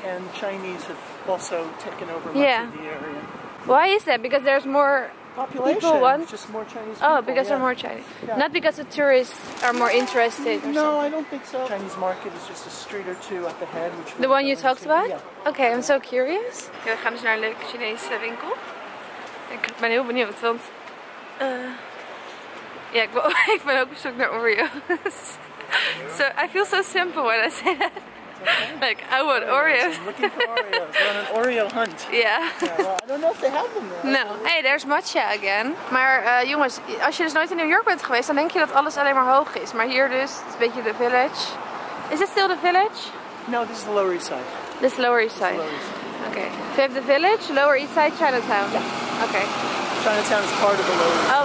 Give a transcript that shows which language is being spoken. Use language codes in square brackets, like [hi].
[en] And Chinese have also taken over much of the area. Why is that? Because there's more... Population, one. Just more Chinese people. Oh, because they're more Chinese. Yeah. Not because the tourists are more interested. No, I don't think so. Chinese market is just a street or two up ahead. Which the one you talked about? Yeah. Okay, I'm so curious. [nl] Okay, we gaan dus naar een leuke Chinese winkel. Ik ben heel benieuwd, want... ik ben ook op zoek naar Oreos. [en] So, I feel so simple when I say that. Okay. Like, I want Oreos. I'm looking for Oreos. We're on an Oreo hunt. Yeah. Well, I don't know if they have them there. No. Hey, there's matcha again. [nl] Maar jongens, als je dus nooit in New York bent geweest, dan denk je dat alles alleen maar hoog is. Maar hier dus, het is een beetje de village. [en] Is it still the village? No, this is the Lower East Side. This is the Lower East Side. Okay. So we have the village, Lower East Side, Chinatown. Yeah. Okay. Chinatown is part of the Lower East Side.